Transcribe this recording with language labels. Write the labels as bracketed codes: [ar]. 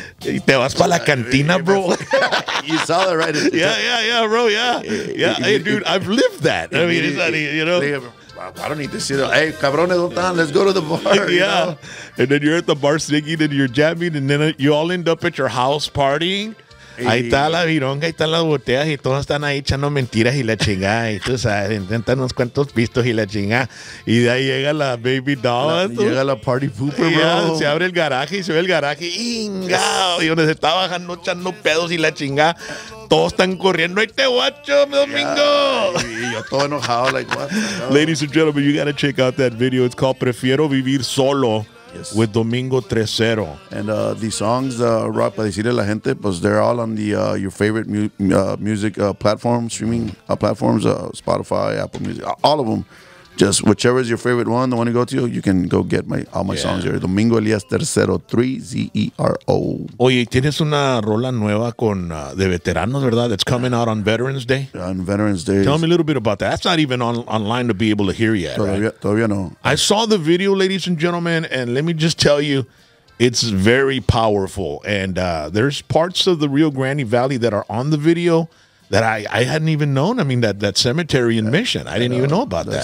[es] te vas para la cantina, bro. [en] You saw that, right? Yeah, bro, yeah. Yeah, hey, dude, I've lived that. I mean, it's not, you know. I don't need to see that. Hey, cabrones, let's go to the bar. Yeah. You know? And then you're at the bar singing and you're jamming, and then you all end up at your house partying. [es] Ahí está la vironga, ahí están las botellas y todos están ahí echando mentiras y la chingada. Y tú sabes, intentan unos cuantos pistos y la chingada. Y de ahí llega la baby doll. Llega la party pooper, bro. Se abre el garaje y se ve el garaje. ¡Inga! Y donde se está bajando echando pedos y la chingada. Todos están corriendo. ¡Ahí te guacho, Domingo! Y yo todo enojado, [en] like, what? Ladies and gentlemen, you gotta check out that video. It's called Prefiero Vivir Solo. Yes. With Domingo 3-0. And these songs, rock, [es] para decirle a la gente, pues [en] they're all on the your favorite music platform, streaming platforms, Spotify, Apple Music, all of them. Just whichever is your favorite one, the one you go to, you can go get all my songs here. Domingo Elias 3-0, 3-0. [es] Oye, tienes una rola nueva de veteranos, ¿verdad? [en] That's coming out on Veterans Day. On Veterans Day. Tell me a little bit about that. That's not even online to be able to hear yet. [es] Todavía no. [en] I saw the video, ladies and gentlemen, and let me just tell you, it's very powerful. And there's parts of the Rio Grande Valley that are on the video that I hadn't even known. I mean, that cemetery in Mission, I didn't even know about that.